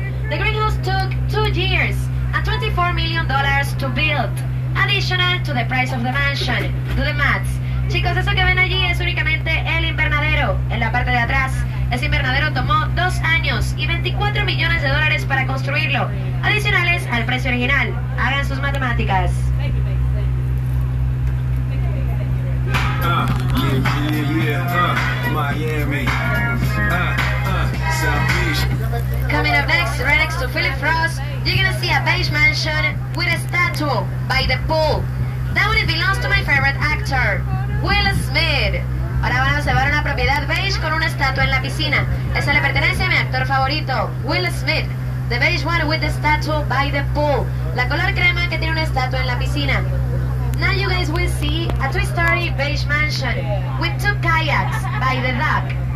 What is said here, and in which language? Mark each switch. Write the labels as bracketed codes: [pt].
[en] The greenhouse took 2 years and $24 million to build, additional to the price of the mansion. Do the maths. [es] Chicos, eso que ven allí es únicamente el invernadero. En la parte de atrás, ese invernadero tomó 2 años y $24 millones para construirlo, adicionales al precio original. Hagan sus matemáticas. [en] Coming up next, right next to Philip Frost, you're gonna see a beige mansion with a statue by the pool. That one belongs to my favorite actor, Will Smith. [es] Ahora van a observar una propiedad beige con una estatua en la piscina. Esa le pertenece a mi actor favorito, Will Smith. [en] The beige one with the statue by the pool. [es] La color crema que tiene una estatua en la piscina. [en] Now you guys will see a two-story beige mansion with 2 kayaks by the dock.